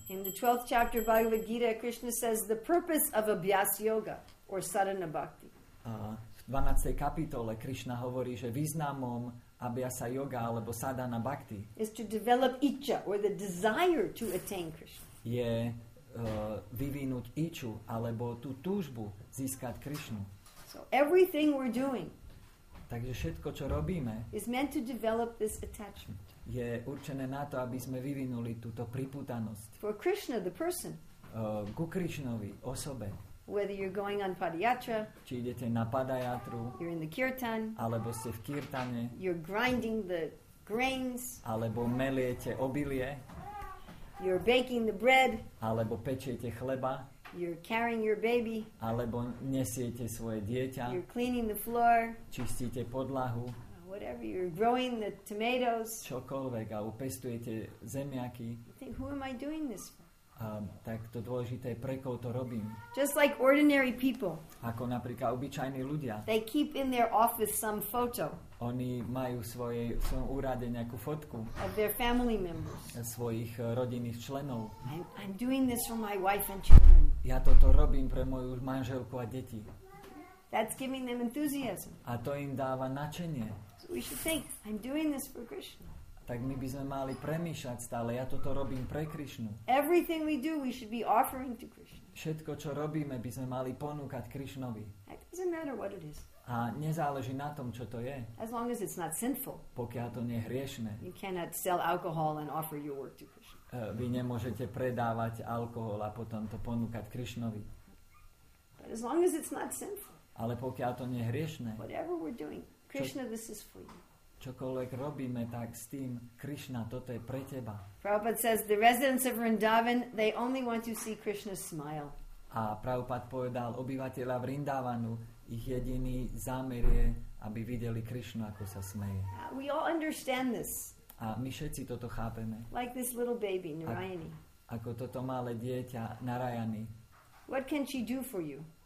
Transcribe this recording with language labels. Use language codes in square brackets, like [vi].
[en] In the 12th chapter of Bhagavad Gita, Krishna says the purpose of abhyas yoga or sadhana bhakti. [sk] V 12. kapitole Krishna hovorí, že významom abhyasa yoga alebo sadhana bhakti [en] is to develop iccha or the desire to attain Krishna. [sk] Je vyvinúť iču alebo tú túžbu získať Krishnu. [en] So everything we're doing. [sk] Takže všetko čo robíme [en] is meant to develop this attachment. [sk] Je určené na to, aby sme vyvinuli túto pripútanosť. [en] For Krishna the person. [sk] Ku Krishnovi osobe. [en] Whether you're going on padayatra, [sk] či idete na padayatru, [en] you're in the kirtan, [sk] alebo ste v kirtane, [en] you're grinding the grains, [sk] alebo meliete obilie, [en] you're baking the bread, [sk] alebo pečiete chleba, [en] you're carrying your baby, [sk] alebo nesiete svoje dieťa, [en] you're cleaning the floor, [sk] čistíte podlahu, [en] whatever, you're growing the tomatoes, [sk] čokoľvek, a upestujete zemiaky. [en] Who am I doing this for? [sk] Tak to dôležité je, pre koho to robím. [en] Just like ordinary people. [sk] Ako napríklad obyčajní ľudia. [en] They keep in their office some photo. [sk] Oni majú v svojom úrade nejakú fotku. [en] Of their family members. [sk] Svojich rodinných členov. [en] I'm doing this for my wife and children. [sk] Ja toto robím pre moju manželku a deti. [en] That's giving them enthusiasm. [sk] A to im dáva nadšenie. [en] So we should think, I'm doing this for Krishna. [sk] Tak my by sme mali premýšľať stále, ja toto robím pre Krishnu. [en] Everything we do, we should be offering to Krishna. [sk] Všetko, čo robíme, by sme mali ponúkať Krishnovi. [en] It doesn't matter what it is. [sk] A nezáleží na tom, čo to je. [en] As long as it's not sinful. [sk] Pokiaľ to nie je hriešné. [en] You cannot sell alcohol and offer your work to Krishna. [sk] Vy nemôžete predávať alkohol a potom to ponúkať Krishnovi. [en] But as long as it's not sinful. [sk] Ale pokiaľ to nie je hriešné. [en] Whatever we're doing, Krishna, this is for you. [sk] Čokoľvek robíme, tak s tým Krishna, toto je pre teba. [en] Prabhupada says the residents of Vrindavan, they only want to see Krishna smile. [sk] A Prabhupada povedal, obyvateľa Vrindavanu, ich jediný zámer je, aby videli Krishnu, ako sa smeje. [en] We all understand this. [sk] A my všetci toto chápeme. [en] Like this little baby, Narayani. [sk] Ako toto malé dieťa, Narayani. [en] What can she do for you?